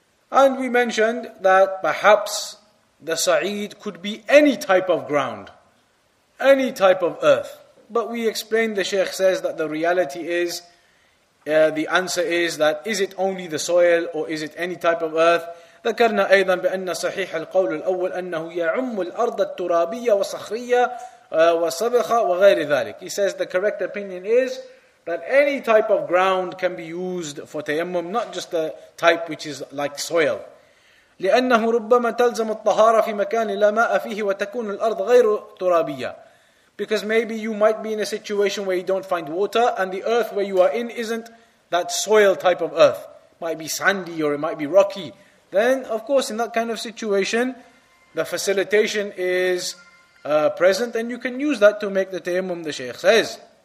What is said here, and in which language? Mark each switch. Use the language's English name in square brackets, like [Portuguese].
[English] And we mentioned that perhaps the sa'id could be any type of ground, any type of earth. But we explained, the Shaykh says, that the reality is, the answer is that, is it only the soil or is it any type of earth? [Arabic] ذكرنا أيضا بأن صحيح القول الأول أنه يعم الأرض الترابية وصخرية وصبخة وغير ذلك. [English] He says the correct opinion is that any type of ground can be used for tayammum, not just a type which is like soil. [Arabic] لأنه ربما تلزم الطهارة في مكان لا ماء فيه وتكون الأرض غير ترابية. [English] Because maybe you might be in a situation where you don't find water and the earth where you are in isn't that soil type of earth. It might be sandy or it might be rocky. Then, of course, in that kind of situation, the facilitation is present and you can use that to make the tayammum, the Shaykh says.